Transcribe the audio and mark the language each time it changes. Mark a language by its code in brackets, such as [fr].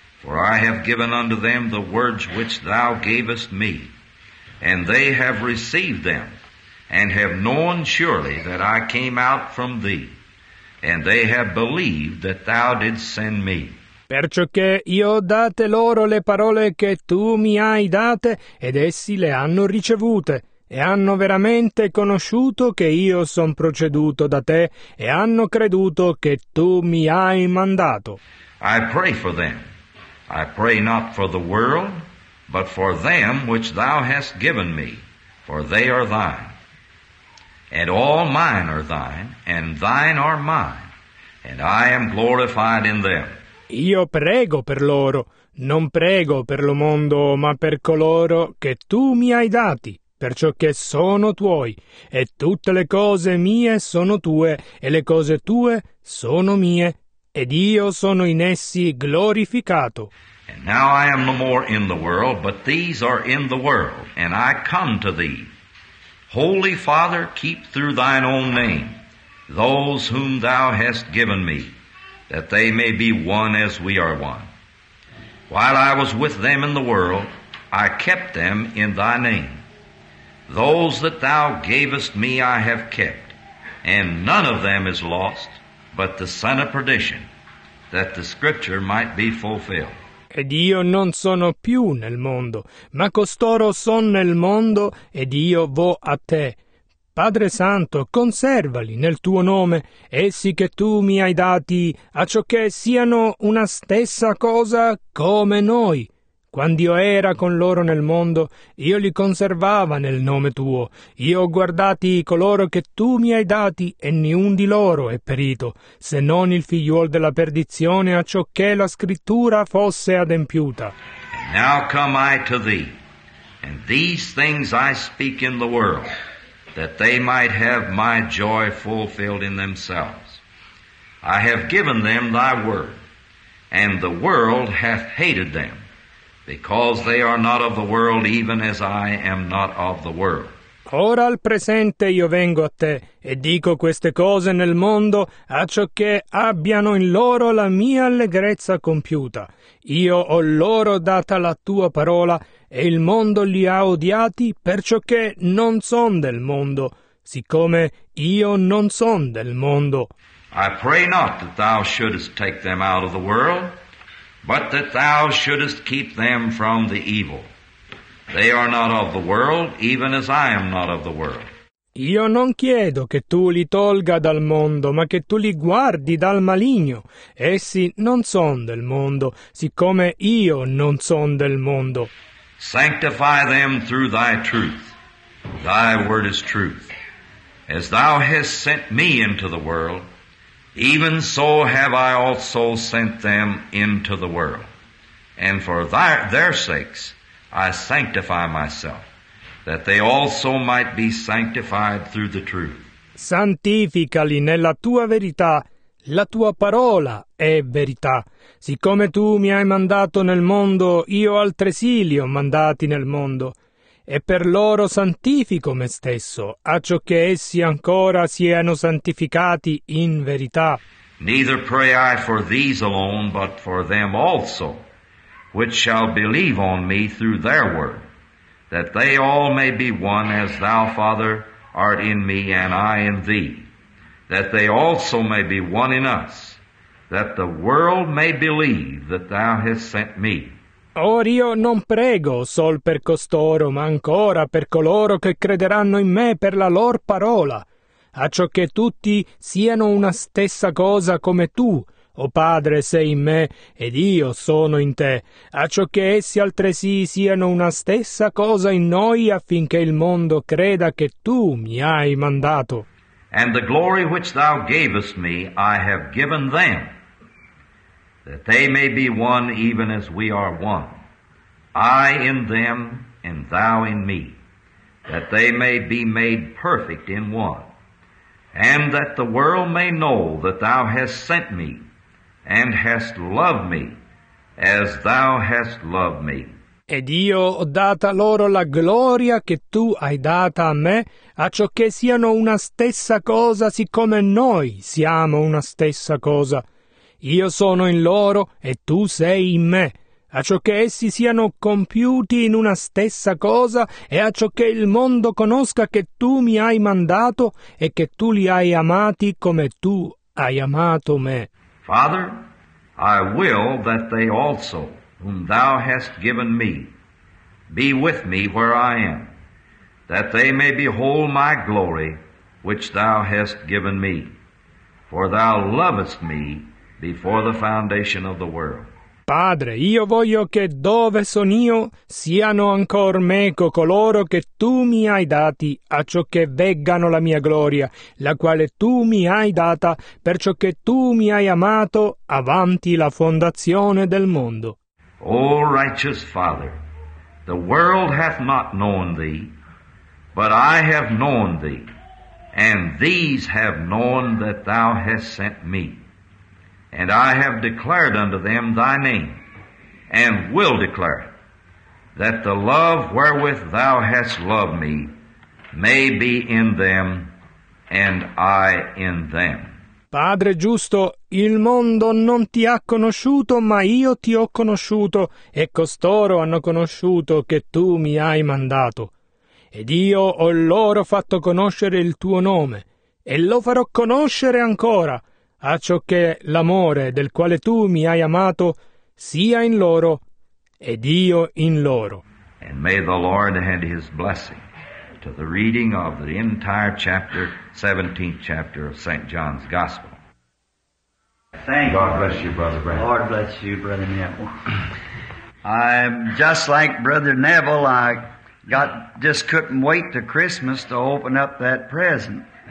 [en] For I have given unto them the words which thou gavest me, and they have received them, and have known surely that I came out from thee, and they have believed that thou didst send me. [it] Perciò che io ho date loro le parole che tu mi hai date, ed essi le hanno ricevute, e hanno veramente conosciuto che io son proceduto da te, e hanno creduto che tu mi hai mandato. [en] I pray for them. I pray not for the world, but for them which thou hast given me, for they are thine. And all mine are thine, and thine are mine, and I am glorified in them. [it] Io prego per loro, non prego per lo mondo, ma per coloro che tu mi hai dati, perciò che sono tuoi, e tutte le cose mie sono tue, e le cose tue sono mie, ed io sono in essi glorificato. [en] And now I am no more in the world, but these are in the world, and I come to thee. Holy Father, keep through thine own name those whom thou hast given me, that they may be one as we are one. While I was with them in the world, I kept them in thy name. Those that thou gavest me I have kept, and none of them is lost, but the son of perdition, that the scripture might be fulfilled. [it] Ed io non sono più nel mondo, ma costoro son nel mondo, ed io vo a te. Padre Santo, conservali nel tuo nome, essi che tu mi hai dati, acciocché siano una stessa cosa come noi. Quando io era con loro nel mondo, io li conservava nel nome tuo. Io ho guardati coloro che tu mi hai dati, e niun di loro è perito, se non il figliuol della perdizione, acciocché la scrittura fosse adempiuta. [en] Now come I to thee, and these things I speak in the world, that they might have my joy fulfilled in themselves. I have given them thy word, and the world hath hated them, because they are not of the world, even as I am not of the world. [it] Ora al presente io vengo a te, e dico queste cose nel mondo, acciò che abbiano in loro la mia allegrezza compiuta. Io ho loro data la tua parola, e il mondo li ha odiati, perciò che non son del mondo, siccome io non son del mondo. [en] I pray not that thou shouldest take them out of the world, but that thou shouldest keep them from the evil. They are not of the world, even as I am not of the world. [it] Io non chiedo che tu li tolga dal mondo, ma che tu li guardi dal maligno. Essi non son del mondo, siccome io non son del mondo. [en] Sanctify them through thy truth. Thy word is truth. As thou hast sent me into the world, even so have I also sent them into the world. And for their sakes, I sanctify myself, that they also might be sanctified through the truth. [it] Santificali nella tua verità, la tua parola è verità. Siccome tu mi hai mandato nel mondo, io altresì li ho mandati nel mondo. E per loro santifico me stesso, acciò che essi ancora siano santificati in verità. [en] Neither pray I for these alone, but for them also, which shall believe on me through their word, that they all may be one, as thou, Father, art in me, and I in thee, that they also may be one in us, that the world may believe that thou hast sent me. [it] Or io non prego sol per costoro, ma ancora per coloro che crederanno in me per la lor parola, a ciò che tutti siano una stessa cosa come tu, o Padre, sei in me, ed io sono in te, a ciò che essi altresì siano una stessa cosa in noi, affinché il mondo creda che tu mi hai mandato. [en] And the glory which thou gavest me I have given them, that they may be one even as we are one, I in them and thou in me, that they may be made perfect in one, and that the world may know that thou hast sent me, and hast loved me as thou hast loved me. [it] Ed io ho data loro la gloria che tu hai data a me, a ciò che siano una stessa cosa, siccome noi siamo una stessa cosa. Io sono in loro e tu sei in me, a ciò che essi siano compiuti in una stessa cosa, e a ciò che il mondo conosca che tu mi hai mandato e che tu li hai amati come tu hai amato me. [en] Father, I will that they also, whom thou hast given me, be with me where I am, that they may behold my glory, which thou hast given me. For thou lovest me before the foundation of the world. [it] Padre, io voglio che dove son io siano ancor meco coloro che tu mi hai dati, a ciò che veggano la mia gloria, la quale tu mi hai data, per ciò che tu mi hai amato avanti la fondazione del mondo. [en] O righteous Father, the world hath not known thee, but I have known thee, and these have known that thou hast sent me. And I have declared unto them thy name, and will declare, that the love wherewith thou hast loved me may be in them, and I in them. [it] Padre giusto, il mondo non ti ha conosciuto, ma io ti ho conosciuto, e costoro hanno conosciuto che tu mi hai mandato. Ed io ho loro fatto conoscere il tuo nome, e lo farò conoscere ancora, a ciò che l'amore del quale tu mi hai amato sia in loro ed io in loro. [en] And may the Lord add his blessing to the reading of the entire chapter, 17th chapter of St. John's Gospel. Thank you. God bless you, Brother Brad. Lord bless you, Brother Neville. I'm just like Brother Neville. I just couldn't wait to Christmas to open up that present.